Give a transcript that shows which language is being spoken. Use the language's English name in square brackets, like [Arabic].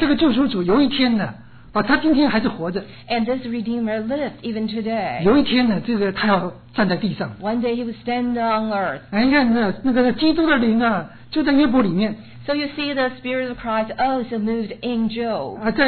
[Chinese] 这个救赎主有一天呢, 他今天还是活着, [English] and this Redeemer lived even today. [Chinese] 有一天呢,这个他要站在地上, [English] one day he would stand on earth. [Chinese] 哎,那个基督的灵啊,就在约伯里面, [English] so you see the Spirit of Christ also moved in Job.